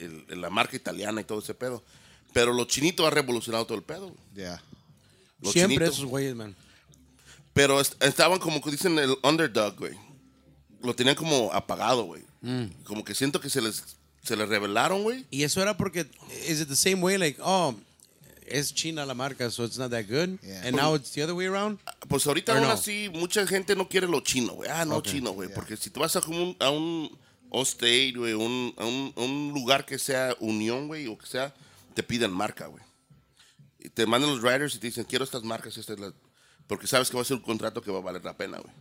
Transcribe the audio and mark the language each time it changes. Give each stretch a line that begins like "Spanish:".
Spanish: La marca italiana y todo ese pedo. Pero lo chinito ha revolucionado todo el pedo, güey. Ya. Siempre esos güeyes, man. Pero estaban como que dicen el underdog, güey. Lo tenían como apagado, güey. Mm. Como que siento que se les revelaron, güey. Y eso era porque...
English: Is it the same way, like, oh...
Spanish: Es China la marca,
English: so it's not that good. Yeah. And now it's the other way around.
Spanish: Pues ahorita aún así, mucha gente no quiere lo chino, güey. Ah, no, okay. Chino, güey. Yeah. Porque si tú vas a un hostel, güey, a un lugar que sea Unión, güey, o que sea, te piden marca, güey. Y te mandan los riders y te dicen, quiero estas marcas. Porque sabes que va a ser un contrato que va a valer la pena, güey.